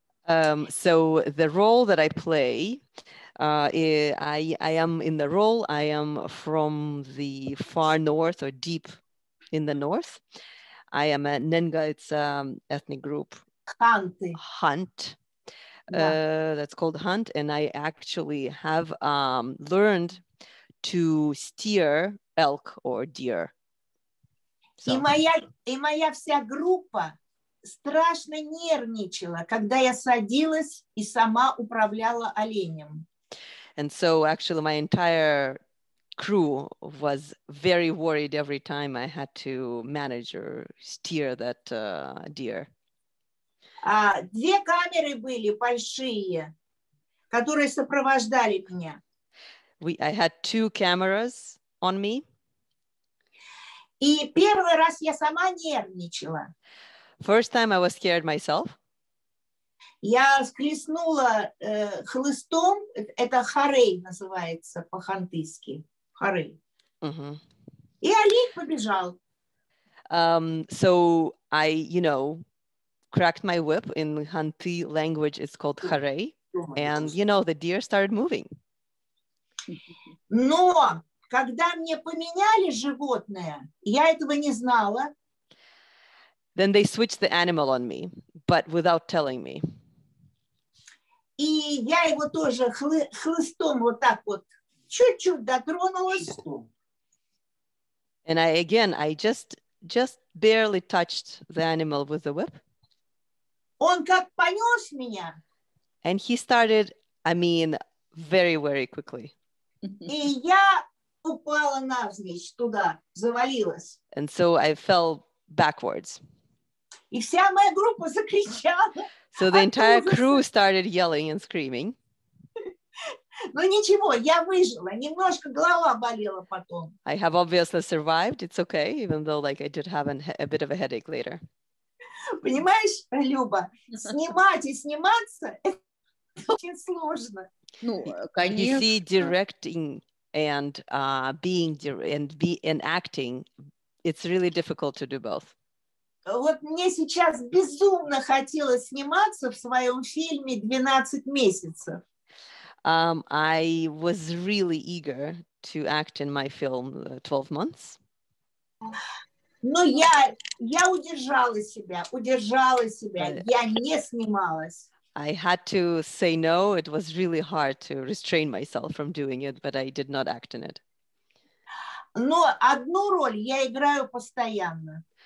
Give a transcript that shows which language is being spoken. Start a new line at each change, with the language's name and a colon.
English: So the role that I play, I am in the role, I am from the far north or deep in the north. I am a Ненга, it's an ethnic group
Russian: Ханты.
English: Hunt. That's called hunt, and I actually have learned to steer elk or deer. So.
Russian: И моя вся группа страшно нервничала, когда я садилась и сама управляла оленем.
English: And so actually my entire crew was very worried every time I had to manage or steer that deer.
Russian: Две камеры были большие, которые сопровождали меня.
English: I had two cameras on me.
Russian: И первый раз я сама нервничала.
English: First time I was scared myself.
Russian: Я схлестнула хлыстом, это харей называется по-хантыйски, харей. Mm-hmm. И олень побежал.
English: So I, you know, cracked my whip. In Ханты language it's called харей. And, you know, the deer started moving.
Russian: Но когда мне поменяли животное, я этого не знала.
English: Then they switched the animal on me, but without telling me.
Russian: И я его тоже хлыстом вот так вот чуть-чуть дотронулась.
English: And I, again, I just barely touched the animal with the whip.
Russian: Он как понес меня.
English: And he started, I mean, very, very quickly.
Russian: И я упала навзничь туда, завалилась.
English: And so I fell backwards.
Russian: И вся моя группа закричала.
English: So the entire crew started yelling and screaming.
Russian: Ну ничего, я выжила. Немножко голова болела потом.
English: I have obviously survived. It's okay, even though like I did have a bit of a headache later.
Russian: Понимаешь, Люба, снимать и сниматься это очень сложно. Ну, конечно.
English: You see, directing and being and acting, it's really difficult to do both.
Russian: Вот мне сейчас безумно хотелось сниматься в своем фильме «12 месяцев».
English: I was really eager to act in my film «12 months».
Russian: Но я удержала себя, я не снималась.
English: I had to say no, it was really hard to restrain myself from doing it, but I did not act in it.
Russian: Но одну роль я играю постоянно.